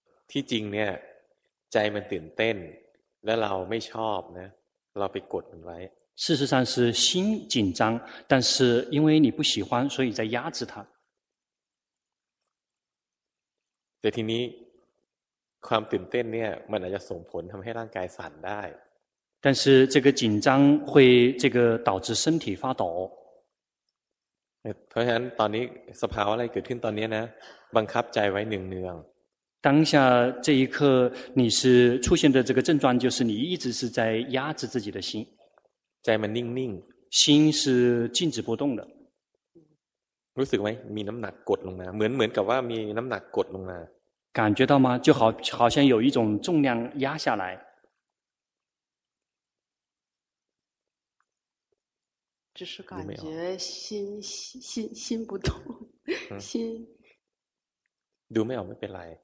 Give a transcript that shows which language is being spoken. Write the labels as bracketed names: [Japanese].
[Thai] ที่จริงเนี่ยใจมันตื่นเต้นและเราไม่ชอบนะเราไปกดมันไว้ [Chinese] 事实上是心紧张但是因为你不喜欢所以在压制它 [Thai] แต่ทีนี้ความตื่นเต้นเนี่ยมันอาจจะส่งผลทำให้ร่างกายสั่นได้ [Chinese] 但是这个紧张会这个导致身体发抖。 [Thai] เพราะฉะนั้นตอนนี้สภาวะอะไรเกิดขึ้นตอนนี้นะบังคับใจไว้เนือง [Chinese] ๆ当下这一刻你是出现的这个症状就是你一直是在压制自己的心。 [Thai] ใจมันนิ่ง [Chinese] ๆ心是静止不动的。 [Thai] รู้สึกไหมมีน้ำหนักกดลงมาเหมือนกับว่ามีน้ำหนักกดลงมา [Chinese] 感觉到吗就好像有一种重量压下来。只是感觉心不动，心。读没有没变来，